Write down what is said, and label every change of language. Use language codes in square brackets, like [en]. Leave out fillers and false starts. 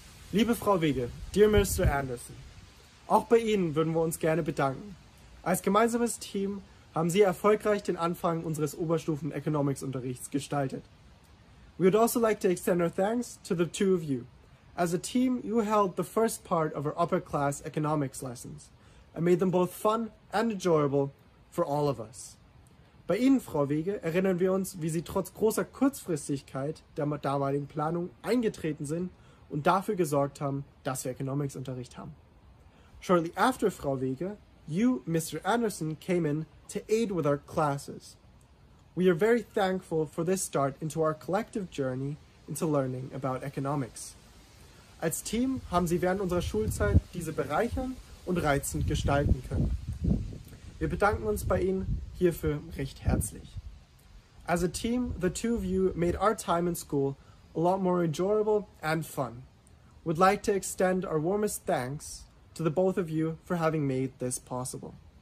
[de] Liebe Frau Wege, [en] dear Mr. [de] Anderson, auch bei Ihnen würden wir uns gerne bedanken. Als gemeinsames Team haben Sie erfolgreich den Anfang unseres Oberstufen-Economics-Unterrichts gestaltet. [en] We would also like to extend our thanks to the two of you. As a team, you held the first part of our upper-class economics lessons and made them both fun and enjoyable for all of us. [de] Bei Ihnen, Frau Wege, erinnern wir uns, wie Sie trotz großer Kurzfristigkeit der damaligen Planung eingetreten sind und dafür gesorgt haben, dass wir Economics-Unterricht haben. [en] Shortly after Frau Wege, you, Mr. Anderson, came in to aid with our classes. We are very thankful for this start into our collective journey into learning about economics. [de] Als Team haben Sie während unserer Schulzeit diese bereichern und reizend gestalten können. Wir bedanken uns bei Ihnen hierfür recht herzlich. [en] As a team, the two of you made our time in school a lot more enjoyable and fun. We'd like to extend our warmest thanks to the both of you for having made this possible.